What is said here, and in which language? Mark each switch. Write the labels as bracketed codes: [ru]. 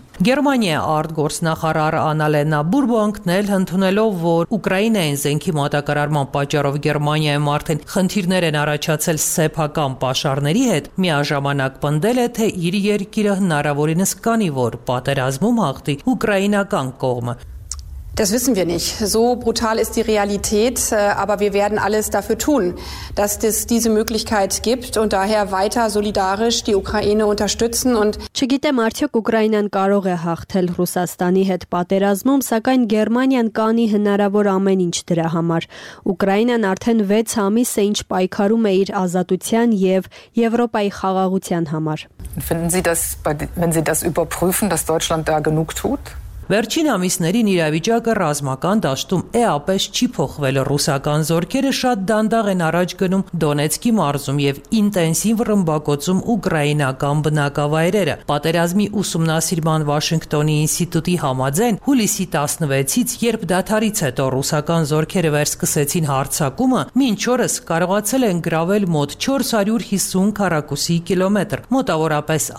[hy] Գերմանիա արտգործնախարար Անալենա Բուրբոն կնել ընդունելով, որ Ուկրաինայի զենքի մատակարարման պատճառով Գերմանիայում արդեն խնդիրներ են առաջացել սեփական պաշարների հետ, միաժամանակ պնդել է, թե իր երկիրը հնարավորինս կանի, որ պատերազմում հաղթի ուկրաինական կողմը։ [de] Das wissen wir nicht. So brutal ist die Realität, aber wir werden alles dafür tun, dass es diese Möglichkeit gibt und daher weiter solidarisch die Ukraine unterstützen und [hy] Չգիտեմ, արդյոք Ուկրաինան կարող է հաղթել Ռուսաստանի հետ պատերազմում, սակայն Գերմանիան կանի հնարավոր ամեն ինչ դրա համար։ Ուկրաինան արդեն 6 ամիս է ինչ պայքարում է իր ազատության եւ Եվրոպայի խաղաղության համար։ [de] Finden Sie das, wenn Sie das überprüfen, dass Deutschland da genug tut? [hy] Վերջին ամիսներին իրավիճակը ռազմական դաշտում էապես չի փոխվել, ռուսական զորքերը շատ դանդաղ են առաջ գնում Դոնեցկի մարզում եւ ինտենսիվ ռմբակոծում ուկրաինական բնակավայրերը։ Պատերազմի ուսումնասիրման Վաշինգտոնի ինստիտուտի համաձայն հուլիսի 16-ից, երբ դադարից հետո ռուսական զորքերը վերսկսեցին հարձակումը, մինչ օրս կարողացել են գրավել մոտ 450 քառակուսի կիլոմետր, մոտավորապես